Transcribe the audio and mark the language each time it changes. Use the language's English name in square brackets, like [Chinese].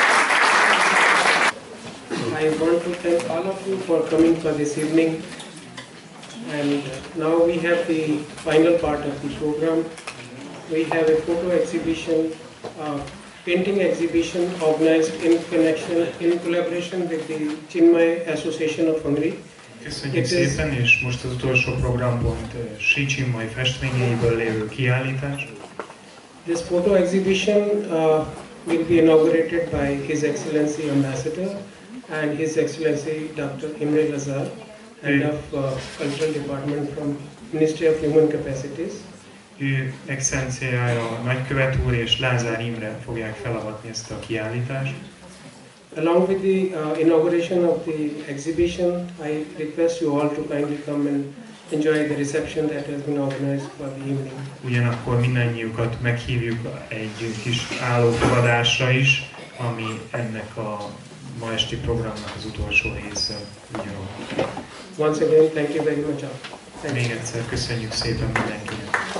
[English] I want to thank all of you for coming for this evening, and now we have the final part of the program. We have a photo exhibition, a painting exhibition organized in collaboration with the Chinmoy Association of Hungary. [Hungarian] Köszönjük szépen, és most az utolsó programban Sri Chinmoy festményeiből lévő kiállítás. [English] This photo exhibition will be inaugurated by His Excellency Ambassador and His Excellency Dr. Imre Lazar, Head of Cultural Department from Ministry of Human Capacities. [Hungarian] Ő excellenciája a nagykövet úr és Lázár Imre fogják felavatni ezt a kiállítást. [English] Along with the inauguration of the exhibition, I request you all to kindly come and enjoy the reception that has been organized for the evening. [Hungarian] Ugyanakkor mindannyiukat meghívjuk egy kis állófogadásra is, ami ennek a ma esti programnak az utolsó része. [English] Once again, thank you very much. [Hungarian] Még egyszer köszönjük szépen mindenkinek.